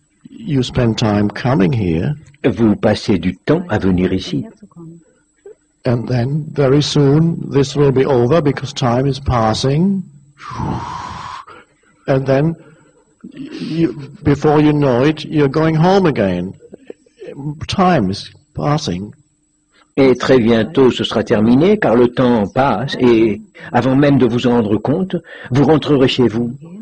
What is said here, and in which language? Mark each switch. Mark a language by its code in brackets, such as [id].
[en] You spend time coming here. [fr] Vous passez du temps à venir ici. [en] And then, very soon, this will be over because time is passing. And then, before you know it, you're going home again. Time is passing. [fr] Et très bientôt, ce sera terminé, car le temps passe, et avant même de vous en rendre compte, vous rentrerez chez vous.